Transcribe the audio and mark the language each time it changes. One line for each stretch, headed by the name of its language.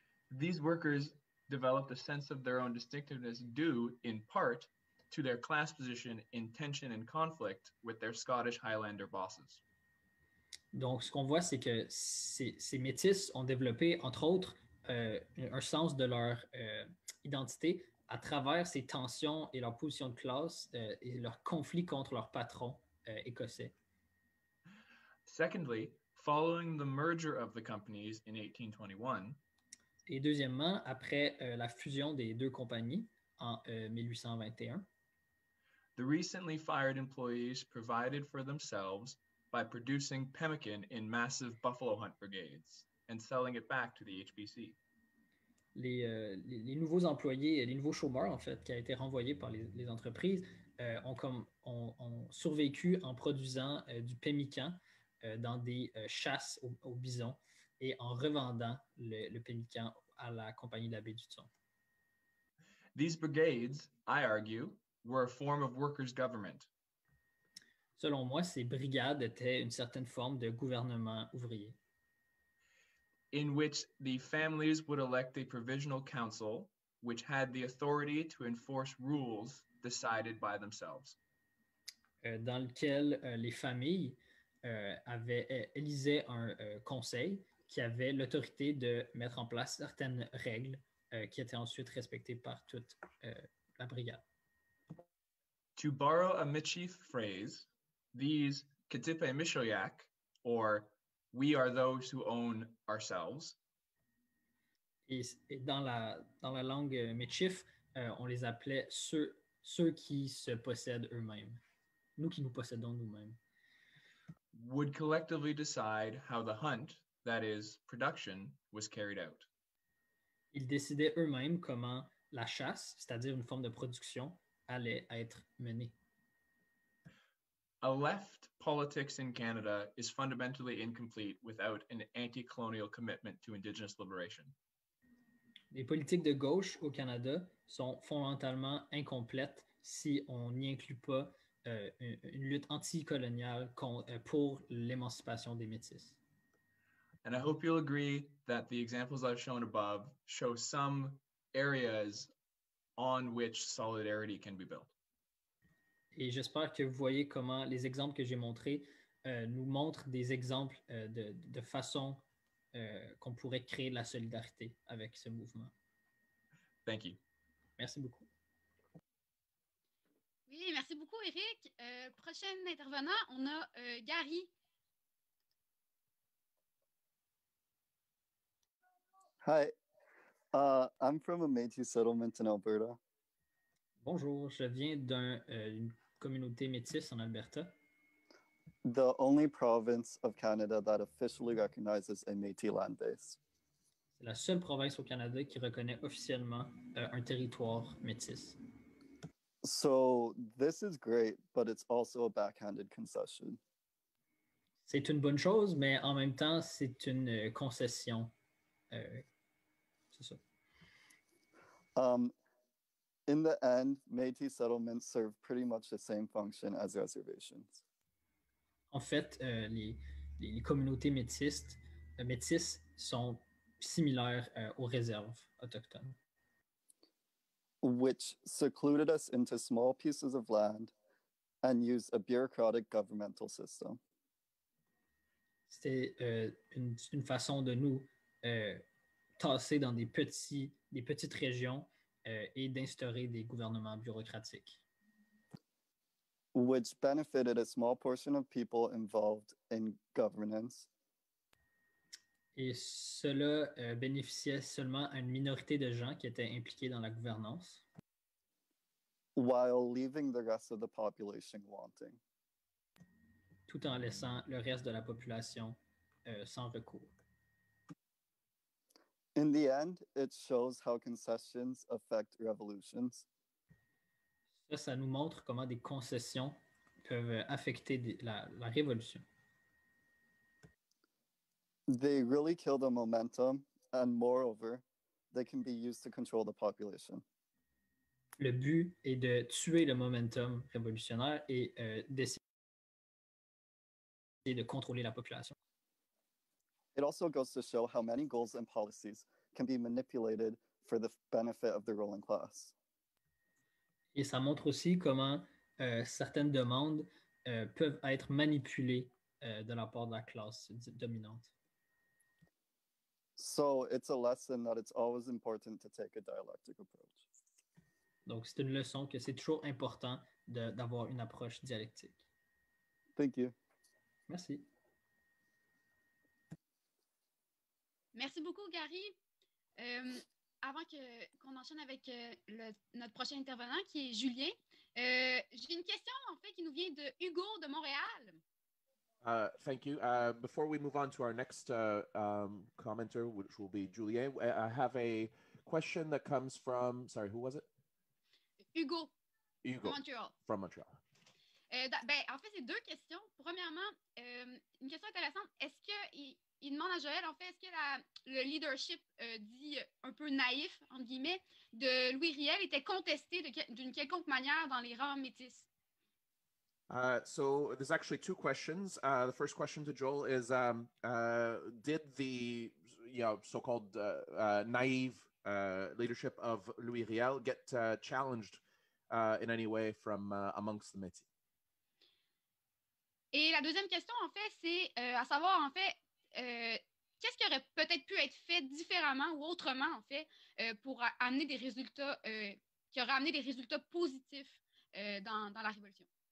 English: These workers developed a sense of their own distinctiveness due, in part, to their class position in tension and conflict with their Scottish Highlander bosses.
French: Donc, ce qu'on voit, c'est que ces métis ont développé, entre autres, un sens de leur identité à travers ces tensions et leur position de classe et leur conflit contre leur patron écossais.
English: Secondly, following the merger of the companies in 1821,
French: et deuxièmement, après la fusion des deux compagnies en 1821,
English: the recently fired employees provided for themselves by producing pemmican in massive buffalo hunt brigades and selling it back to the HBC.
French: Les nouveaux employés, les nouveaux chômeurs, en fait, qui a été renvoyés par les entreprises, ont survécu en produisant du pemmican dans des chasses au bison et en revendant le pemmican à la compagnie de la baie du Thon.
English: These brigades, I argue, were a form of workers' government.
French: Selon moi, ces brigades étaient une certaine forme de gouvernement ouvrier.
English: In which the families would elect a provisional council, which had the authority to enforce rules decided by themselves.
French: Dans lequel les familles élisaient un conseil qui avait l'autorité de mettre en place certaines règles qui étaient ensuite respectées par toute la brigade.
English: To borrow a Michif phrase, these Katipa and Mishoyak, or we are those who own ourselves.
French: Et dans la langue Michif, on les appelait ceux qui se possèdent eux-mêmes, nous qui nous possédons nous-mêmes.
English: Would collectively decide how the hunt, that is, production, was carried out.
French: Ils décidaient eux-mêmes comment la chasse, c'est-à-dire une forme de production, allait être menée.
English: A left politics in Canada is fundamentally incomplete without an anti-colonial commitment to Indigenous liberation.
French: Les politiques de gauche au Canada sont fondamentalement incomplètes si on n'y inclut pas une lutte anti-coloniale pour l'émancipation des Métis.
English: And I hope you'll agree that the examples I've shown above show some areas on which solidarity can be built.
French: Et j'espère que vous voyez comment les exemples que j'ai montrés nous montrent des exemples de façon qu'on pourrait créer de la solidarité avec ce mouvement.
English: Thank you.
French: Merci beaucoup. Oui, merci beaucoup, Eric. Prochain intervenant, on a Gary.
English: Hi. I'm from a Métis settlement in Alberta.
French: Bonjour, je viens d'un... communauté métisse en Alberta.
English: The only province of Canada that officially recognizes a Métis land base.
French: C'est la seule province au Canada qui reconnaît officiellement un territoire métis.
English: So this is great, but it's also a backhanded concession.
French: C'est une bonne chose, mais en même temps, c'est une concession. C'est ça.
English: In the end, Métis settlements serve pretty much the same function as reservations.
French: En fait, les communautés métisses sont similaires aux réserves autochtones.
English: Which secluded us into small pieces of land and used a bureaucratic governmental system.
French: C'était une façon de nous tasser dans des petites régions et d'instaurer des gouvernements bureaucratiques.
English: Which benefited a small portion of people involved in governance.
French: Et cela bénéficiait seulement à une minorité de gens qui étaient impliqués dans la gouvernance.
English: While leaving the rest of the population wanting.
French: Tout en laissant le reste de la population sans recours.
English: In the end, it shows how concessions affect revolutions.
French: Ça nous montre comment des concessions peuvent affecter la révolution.
English: They really kill the momentum, and moreover, they can be used to control the population.
French: Le but est de tuer le momentum révolutionnaire et d'essayer de contrôler la population.
English: It also goes to show how many goals and policies can be manipulated for the benefit of the ruling class.
French: Et ça montre aussi comment certaines demandes peuvent être manipulées de la part de la classe dominante.
English: So it's a lesson that it's always important to take a dialectic approach.
French: Donc c'est une leçon que c'est toujours important d'avoir une approche dialectique.
English: Thank you.
French: Merci. Merci beaucoup, Gary. Avant qu'on enchaîne avec notre prochain intervenant, qui est Julien, j'ai une question, en fait, qui nous vient de Hugo de Montréal.
English: Thank you. Before we move on to our next commenter, which will be Julien, I have a question that comes from, sorry, who was it? Hugo. Hugo. Montreal. From Montreal.
French: En fait, c'est deux questions. Premièrement, une question intéressante. Est-ce que... Il demande à Joël, en fait, est-ce que le leadership dit un peu naïf, entre guillemets, de Louis Riel était contesté d'une quelconque manière dans les rangs métis?
English: So, there's actually two questions. The first question to Joel is, did the so-called naïve leadership of Louis Riel get challenged in any way from amongst the métis?
French: Et la deuxième question, en fait, c'est à savoir, en fait, qu'est-ce qui aurait peut-être pu être fait différemment ou autrement, en fait, pour amener des résultats, qui auraient amené des résultats positifs dans la révolution?